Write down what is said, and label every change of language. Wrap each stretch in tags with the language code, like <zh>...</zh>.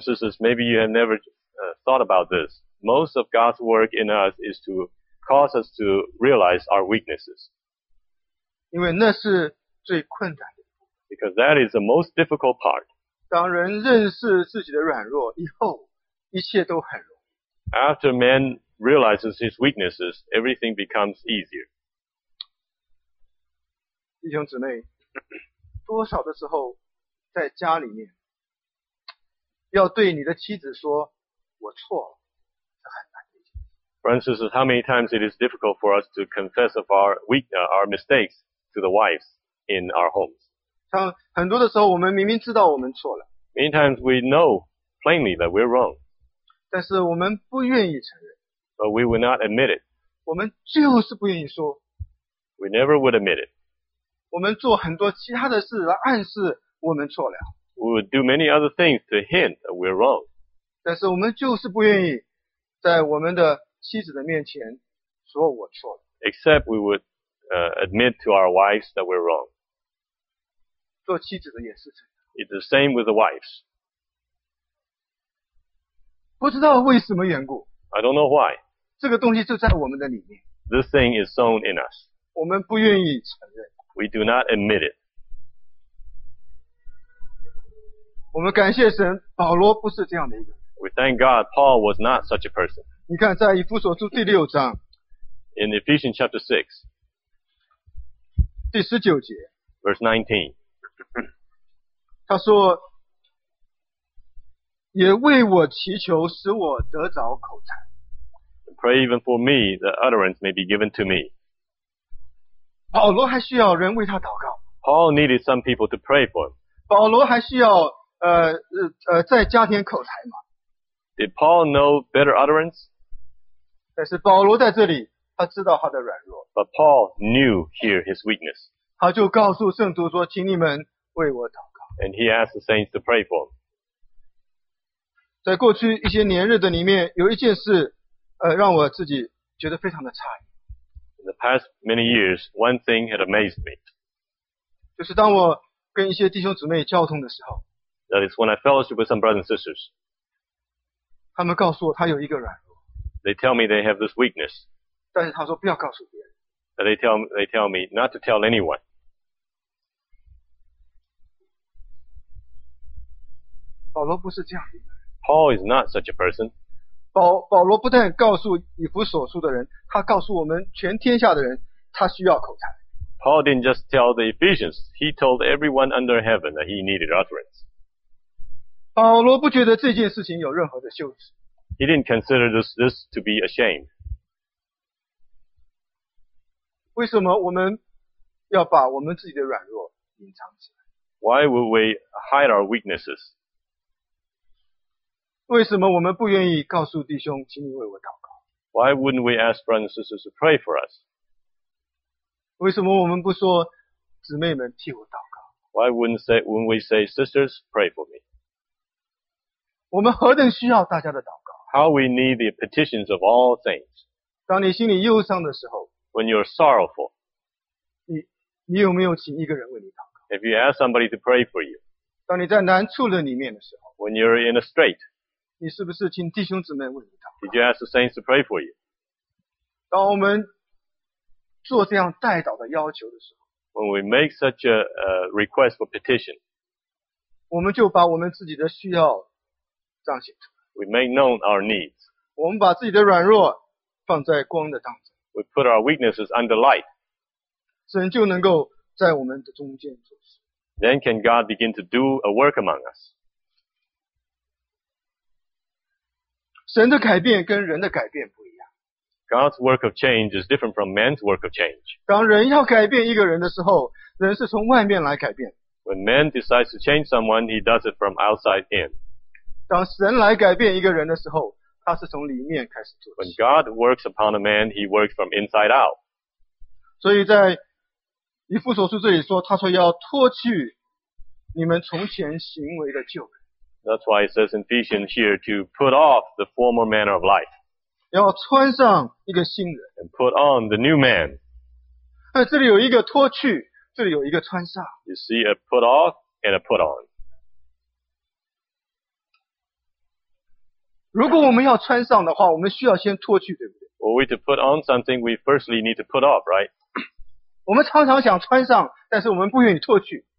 <en>Brothers and sisters, maybe you have never thought about this. Most of God's work in us is to cause us to realize our weaknesses.</en> <zh>因为那是最困难的。</zh> <en>Because that is the most difficult part.</en> <zh>当人认识自己的软弱以后，一切都很容易。</zh> <en>After man realizes his weaknesses, everything becomes easier.</en> <zh>弟兄姊妹，多少的时候在家里面要对你的妻子说我错了，这很难。</zh> <en>For instance, how many times it is difficult for us to confess of our mistakes to the wives in our homes?</en> <zh>像很多的时候，我们明明知道我们错了。</zh> <en>Many times we know plainly that we're wrong.</en> <zh>但是我们不愿意承认。</zh> <en>But we will not admit it.</en> <zh>我们就是不愿意说。</zh> <en>We never would admit it.</en> <zh>我们做很多其他的事来暗示我们错了。</zh> <en>We would do many other things to hint that we're wrong.</en> <zh>但是我们就是不愿意在我们的妻子的面前说我错了。</zh> <en>Except we would admit to our wives that we're wrong.</en> <zh>做妻子的也是这样。</zh> <en>It's the same with the wives.</en> <zh>不知道为什么缘故。</zh> <en>I don't know why.</en> <zh>这个东西就在我们的里面。</zh> <en>This thing is sown in us.</en> <zh>我们不愿意承认。</zh> <en>We do not admit it.</en> <zh>我们感谢神，保罗不是这样的一个。</zh> <en>We thank God Paul was not such a person.</en> <zh>你看在以弗所书第六章。</zh> <en>In Ephesians chapter 6.</en> <zh>第十九节。</zh> <en>Verse 19.</en> <zh>他说也为我祈求使我得着口才。</zh> <en>Pray even for me, that utterance may be given to me.</en> <zh>保罗还需要人为他祷告。</zh> <en>Paul needed some people to pray for him.</en> <zh>保罗还需要再加添口才吗？</zh> <en>Did Paul know better utterance?</en> <zh>但是保罗在这里，他知道他的软弱。</zh> <en>But Paul knew here his weakness.</en> <zh>他就告诉圣徒说，请你们为我祷告。</zh> <en>And he asked the saints to pray for him.</en> <zh>在过去一些年日的里面，有一件事，让我自己觉得非常的诧异。</zh> <en>In the past many years, one thing had amazed me.</en> <zh>就是当我跟一些弟兄姊妹交通的时候。</zh> <en>That is when I fellowship with some brothers and sisters.</en> <zh>他们告诉我他有一个软弱。</zh> <en>They tell me they have this weakness.</en> <zh>但是他说不要告诉别人。</zh> <en>But they tell me not to tell anyone.</en> <zh>保罗不是这样的人。</zh> <en>Paul is not such a person.</en> <zh>保罗不但告诉以弗所书的人，他告诉我们全天下的人，他需要口才。</zh> <en>Paul didn't just tell the Ephesians, he told everyone under heaven that he needed utterance.</en> <zh>保罗不觉得这件事情有任何的羞耻。</zh> <en>He didn't consider this to be a shame.</en> <zh>为什么我们要把我们自己的软弱隐藏起来？</zh> <en>Why would we hide our weaknesses?</en> <zh>为什么我们不愿意告诉弟兄，请你为我祷告？</zh> <en>Why wouldn't we ask brothers and sisters to pray for us?</en> <zh>为什么我们不说姊妹们替我祷告？</zh> <en>Why wouldn't we say sisters pray for me?</en> <zh>我们何等需要大家的祷告。</zh> <en>How we need the petitions of all saints.</en> <zh>当你心里忧伤的时候。</zh> <en>When you're sorrowful.</en> <zh>你有没有请一个人为你祷告？</zh> <en>If you ask somebody to pray for you.</en> <zh>当你在难处的里面的时候。</zh> <en>When you're in a strait.</en> <zh>你是不是请弟兄姊妹为你祷告？</zh> <en>Did you ask the saints to pray for you?</en> <zh>当我们做这样代祷的要求的时候。</zh> <en>When we make such a request for petition.</en> <zh>我们就把我们自己的需要</zh> <en>We make known our needs.</en> <zh>我们把自己的软弱放在光的当中。</zh> <en>We put our weaknesses under light.</en> <zh>神就能够在我们的中间做事。</zh> <en>Then can God begin to do a work among us?</en> <zh>神的改变跟人的改变不一样。</zh> <en>God's work of change is different from man's work of change.</en> <zh>当人要改变一个人的时候，人是从外面来改变。</zh> <en>When man decides to change someone, he does it from outside in.</en> <zh>当神来改变一个人的时候，他是从里面开始做起。</zh> <en>When God works upon a man, he works from inside out.</en> <zh>所以在以弗所书这里说，他说要脱去你们从前行为的旧人。</zh> <en>That's why it says in Ephesians here to put off the former manner of life.</en> <zh>要穿上一个新人。</zh> <en>And put on the new man.</en> <zh>这里有一个脱去，这里有一个穿上。</zh> <en>You see a put off and a put on.</en> <zh>如果我们要穿上的话，我们需要先脱去，对不对？</zh> <en>Were we to put on something, we firstly need to put off, right?</en> <zh>我们常常想穿上，但是我们不愿意脱去。</zh>